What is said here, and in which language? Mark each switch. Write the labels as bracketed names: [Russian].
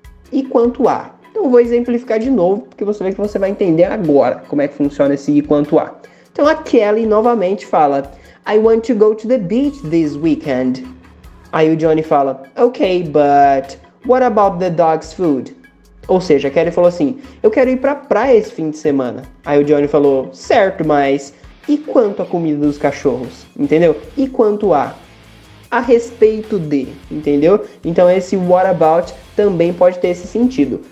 [Portuguese] E quanto a? Então eu vou exemplificar de novo, porque você vê que você vai entender agora como é que funciona esse e quanto a. Então a Kelly novamente fala, [English] I want to go to the beach this weekend. [Portuguese] Aí o Johnny fala, [English] ok, but what about the dog's food? [Portuguese] Ou seja, a Kelly falou assim, eu quero ir pra praia esse fim de semana. Aí o Johnny falou, certo, mas e quanto a comida dos cachorros? Entendeu? E quanto a? A respeito de, entendeu? Então esse what about também pode ter esse sentido.